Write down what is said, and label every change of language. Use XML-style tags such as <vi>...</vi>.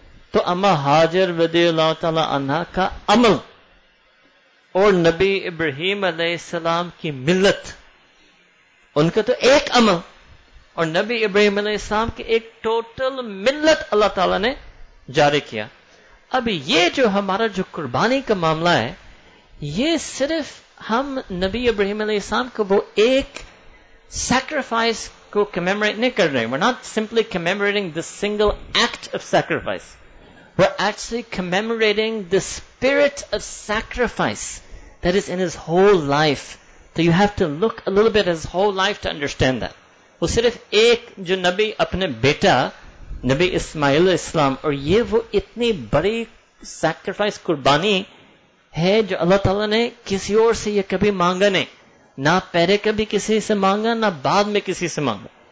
<ur>تو اماں ہاجر رضی اللہ تعالیٰ عنہ کا عمل اور نبی ابراہیم علیہ السلام کی ملت، ان کا تو ایک عمل اور نبی ابراہیم علیہ السلام کی ایک ٹوٹل ملت اللہ تعالیٰ نے جاری کیا. اب یہ جو ہمارا جو قربانی کا معاملہ ہے یہ صرف ہم نبی ابراہیم علیہ السلام کو وہ ایک سیکریفائس کو کمیمریٹ نہیں کر رہے ہیں.</ur> <en>We're not simply commemorating the single act of sacrifice. We're actually commemorating the spirit of sacrifice that is in his whole life. So you have to look a little bit at his whole life to understand that.</en> <ur>وہ صرف ایک جو نبی اپنے بیٹا نبی اسماعیل علیہ السلام اور یہ وہ اتنی بڑی سیکریفائس قربانی ہے جو اللہ تعالیٰ نے کسی اور سے یہ کبھی مانگا نہیں، نہ پہلے کبھی کسی سے مانگا نہ بعد میں کسی سے مانگا.</ur>